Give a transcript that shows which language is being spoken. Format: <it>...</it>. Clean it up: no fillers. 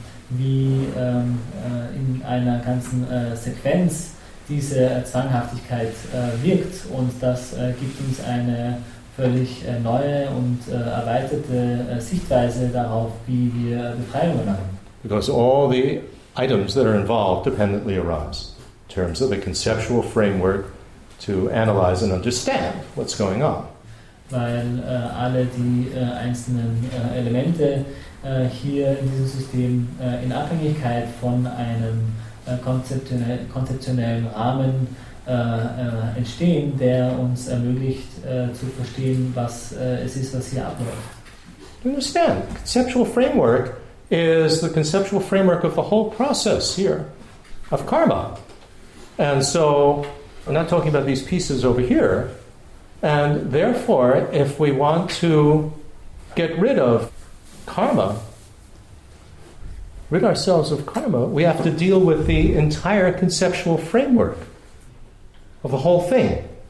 <de>wie in einer ganzen Sequenz diese Zwanghaftigkeit wirkt, und das gibt uns eine völlig neue und erweiterte Sichtweise darauf, wie wir Befreiung erlangen.</de> <en>Because all the items that are involved dependently arise in terms of a conceptual framework to analyze and understand what's going on.</en> <de>Weil alle die einzelnen Elemente hier in diesem System in Abhängigkeit von einem konzeptionellen Rahmen entstehen, der uns ermöglicht zu verstehen, was es ist, was hier abläuft.</de> <en>You understand? Conceptual framework is the conceptual framework of the whole process here, of karma. And so, I'm not talking about these pieces over here, and therefore, if we want to get rid of karma, rid ourselves of karma, we have to deal with the entire conceptual framework of the whole thing.</en>